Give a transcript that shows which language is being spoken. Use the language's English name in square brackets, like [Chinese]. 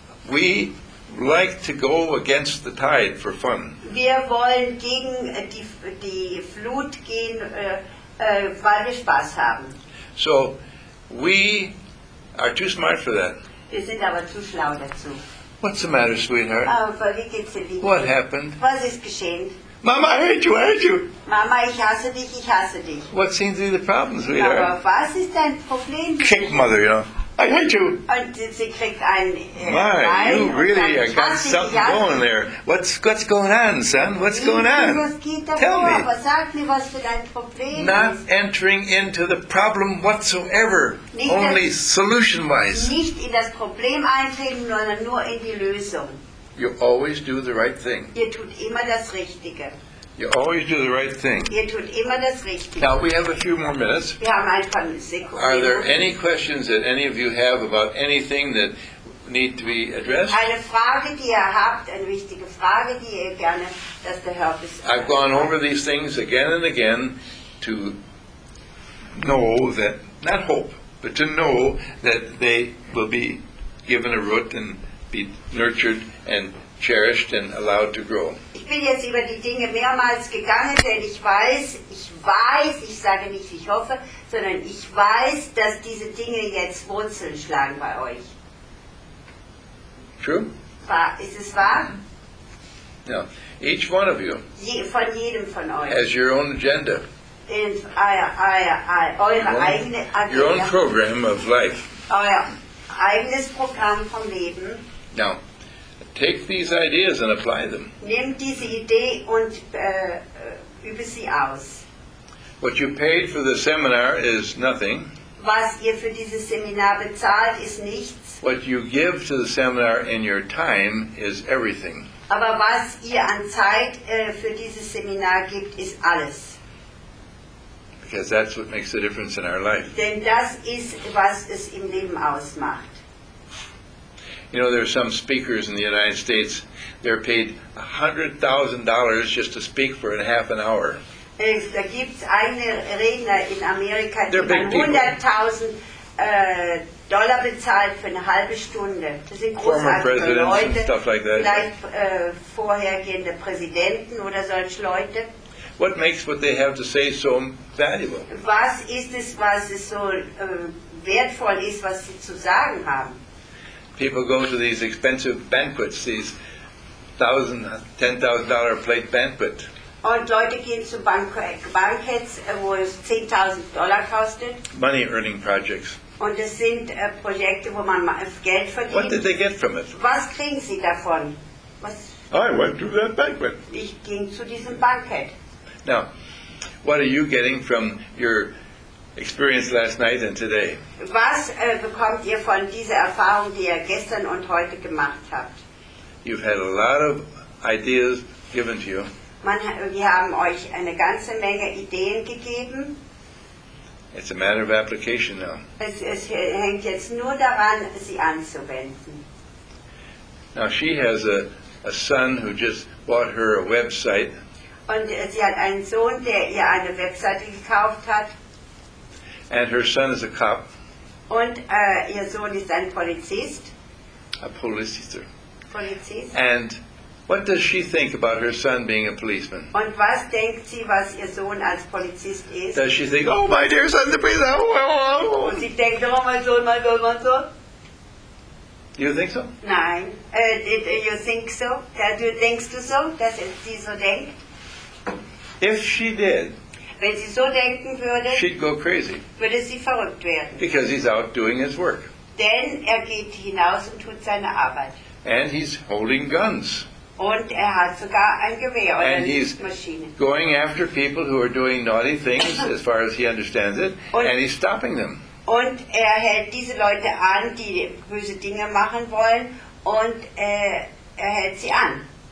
[English] We like to go against the tide for fun. [German] Wir wollen gegen die Flut gehen, weil wir Spaß haben. [English] So, we are too smart for that. [German] Wir sind aber zu schlau dazu. [English] What's the matter, sweetheart? What happened? [German] Was ist geschehen? [English] Mama, I hate you, I hate you. [German] Mama, ich hasse dich, ich hasse dich. [English] What seems to be the problem, sweetheart? [German] Aber was ist dein Problem? [English] Kick mother, you know. I hate you. [German] Und sie kriegt ein [English] My, [German] Bein [English] you really got something going there. What's going on, son? What's going on? [German] Was geht da [English] Tell me. [German] Aber sag mir, was für dein Problem [English] Not [German] ist. [English] Entering into the problem whatsoever, [German] nicht [English] only solution-wise. [German] Nicht in das Problem eintreten, sondern nur in die Lösung. [English] You always do the right thing. [German] Ihr tut immer das Richtige. [English] You always do the right thing. [German] Ihr tut immer das Richtige. [English] Now we have a few more minutes. [German] Wir haben ein paar Sekunden. [English] Are there any questions that any of you have about anything that need to be addressed? [German] Eine Frage, die ihr habt, eine wichtige Frage, die ihr gerne, dass der Herr ist. [English] I've gone over these things again and again to know that, not hope, but to know that they will be given a root and be nurtured and cherished and allowed to grow. [German] Ich bin jetzt über die Dinge mehrmals gegangen, denn ich sage nicht, ich hoffe, sondern ich weiß, dass diese Dinge jetzt Wurzeln schlagen bei euch. [English] True? [German] Ist es wahr? [English] No. Each one of you [German] von jedem von euch [English] has your own agenda. [German] Eure [English] own program of life. [German] Euer eigenes Programm vom Leben. [English] No. Take these ideas and apply them. [German] Nimm diese Idee und übe sie aus. [English] What you paid for the seminar is nothing. [German] Was ihr für dieses Seminar bezahlt, ist nichts. [English] What you give to the seminar in your time is everything. [German] Aber was ihr an Zeit für dieses Seminar gibt, ist alles. [English] Because that's what makes the difference in our life. [German] Denn das ist, was es im Leben ausmacht. [English] You know, there are some speakers in the United States, they're paid $100,000 just to speak for a half an hour. [German] Da gibt's eine Redner in Amerika, die $100,000 bezahlt für eine halbe Stunde. Das sind [English] Former presidents and stuff like that. [German] Vielleicht vorhergehende Präsidenten oder solche Leute. [English] What makes what they have to say so valuable? [German] Was ist es, was es so wertvoll ist, was sie zu sagen haben? [English] People go to these expensive banquets, these $10,000 plate banquet. [German] Und Leute gehen zu Banketts, wo es $10,000 kostet. [English] Money earning projects. [German] Und es sind Projekte, wo man Geld verdient. [English] What did they get from it? [German] Was kriegen sie davon? Was? [English] I went to that banquet. [German] Ich ging zu diesem Bankett. [English] Now, what are you getting from your experience last night and today? [German] Was bekommt ihr von dieser Erfahrung, die ihr gestern und heute gemacht habt? [English] You've had a lot of ideas given to you. [German] Wir haben euch eine ganze Menge Ideen gegeben. [English] It's a matter of application now. [German] Es hängt jetzt nur daran, sie anzuwenden. [English] Now she has a son who just bought her a website. [German] Und sie hat einen Sohn, der ihr eine Webseite gekauft hat. [English] And her son is a cop. [German] Und ihr Sohn ist ein Polizist. [English] A police officer. [German] Polizist. [English] And what does she think about her son being a policeman? [German] Und was denkt sie, was ihr Sohn als Polizist ist? [English] Does she think, oh, my dear son, the police? [German] Und sie denkt, oh, mein Sohn, mein Sohn, mein Sohn. [English] You think so? [German] Nein. [English] You think so? [German] Denkst du so, dass sie so denkt? [English] If she did. [German] Wenn sie so denken würde, [English] she'd go crazy. [German] Würde sie verrückt werden. [English] Because he's out doing his work. [German] Denn er geht hinaus und tut seine Arbeit. [English] And he's holding guns. [German] Und er hat sogar ein Gewehr oder [English] and [German] eine Maschine. [English] And he's going after people who are doing naughty things, as far as he understands it, and he's stopping them. [German] Und er hält diese Leute an, die böse Dinge machen wollen, und er hält sie an.